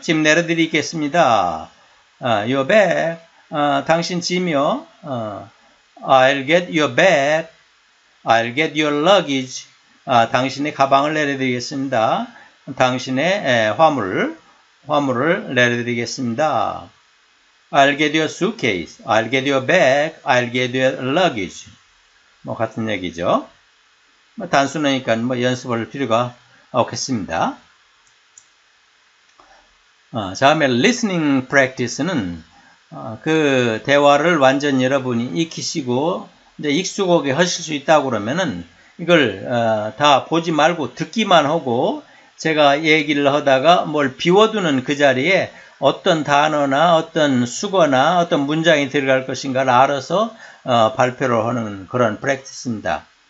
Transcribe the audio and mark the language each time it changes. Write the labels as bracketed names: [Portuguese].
[Korean] 짐 내려드리겠습니다. [English] Your bag. [Korean] 당신 짐이요. [English] I'll get your bag. I'll get your luggage. [Korean] 당신의 가방을 내려드리겠습니다. 당신의 화물을 내려드리겠습니다. [English] I'll get your suitcase. I'll get your bag. I'll get your luggage. [Korean] 뭐 같은 얘기죠. 단순하니까 뭐 연습할 필요가 없겠습니다. 다음에 listening practice는 그 대화를 완전 여러분이 익히시고 이제 익숙하게 하실 수 있다고 그러면은 이걸 다 보지 말고 듣기만 하고 제가 얘기를 하다가 뭘 비워두는 그 자리에 어떤 단어나 어떤 수거나 어떤 문장이 들어갈 것인가를 알아서 발표를 하는 그런 프랙티스입니다.